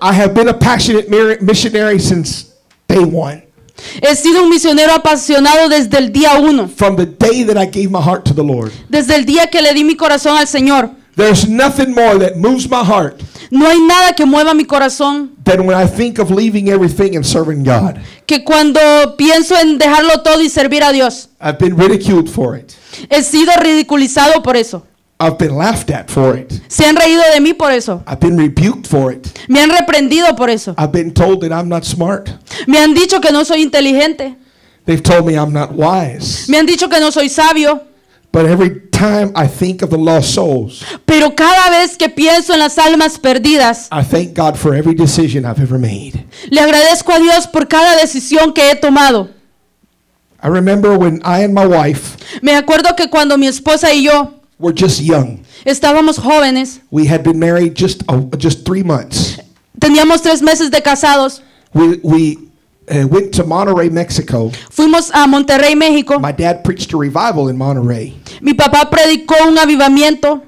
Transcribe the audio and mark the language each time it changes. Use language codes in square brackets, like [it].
[en] I have been a passionate missionary since day one. [es] He sido un misionero apasionado desde el día uno. [en] From the day that I gave my heart to the Lord. [es] Desde el día que le di mi corazón al Señor. [en] There's nothing more that moves my heart. [es] No hay nada que mueva mi corazón. [en] Than when I think of leaving everything and serving God. [es] Que cuando pienso en dejarlo todo y servir a Dios. [en] I've been ridiculed for it. [es] He sido ridiculizado por eso. [en] I've been laughed at for it. [es] Se han reído de mí por eso. [en] I've been rebuked for it. [es] Me han reprendido por eso. [en] I've been told that I'm not smart. [es] Me han dicho que no soy inteligente. [en] They've told me I'm not wise. [es] Me han dicho que no soy sabio. [en] But every time I think of the lost souls, [es] pero cada vez que pienso en las almas perdidas, [en] I thank God for every decision I've ever made. [es] Le agradezco a Dios por cada decisión que he tomado. [en] I remember when I and my wife, [es] me acuerdo que cuando mi esposa y yo, [en] were just young, [es] estábamos jóvenes, [en] we had been married just 3 months, [es] teníamos 3 meses de casados, [en] we went to Monterrey, Mexico. [es] Fuimos a Monterrey, México. [en] My dad preached a revival in Monterrey. [es] Mi papá predicó un avivamiento.